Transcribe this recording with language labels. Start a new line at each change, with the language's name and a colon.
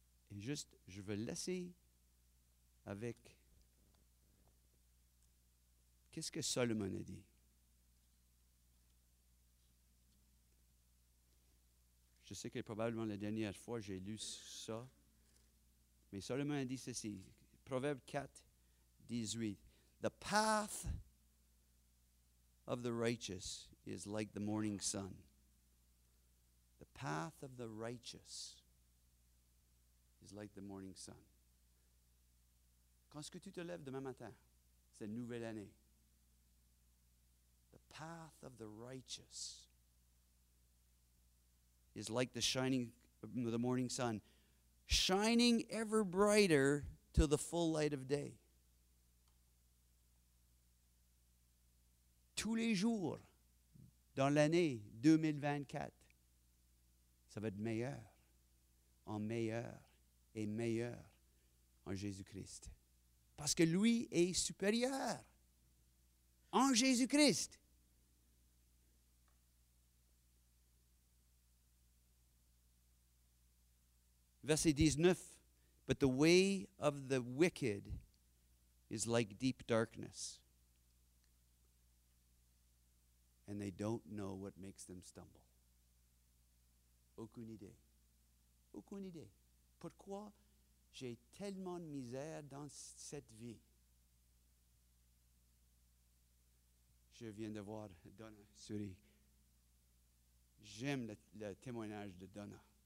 French: Et juste, je veux laisser avec qu'est-ce que Salomon a dit. Je sais que probablement la dernière fois j'ai lu ça, mais Salomon a dit ceci, Proverbe 4, 18.
English: The path of the righteous is like the morning sun. The path of the righteous is like the morning sun.
French: Quand est-ce que tu te lèves demain matin? C'est une nouvelle année.
English: The path of the righteous is like the shining the morning sun, shining ever brighter till the full light of day.
French: Tous les jours dans l'année 2024, ça va être meilleur, en meilleur et meilleur en Jésus-Christ. Parce que lui est supérieur en Jésus-Christ. Verset 19,
English: But the way of the wicked is like deep darkness. And they don't know what makes them stumble.
French: Aucune idée. Pourquoi j'ai tellement de misère dans cette vie? Je viens de voir Donna sourire. J'aime le témoignage de Donna.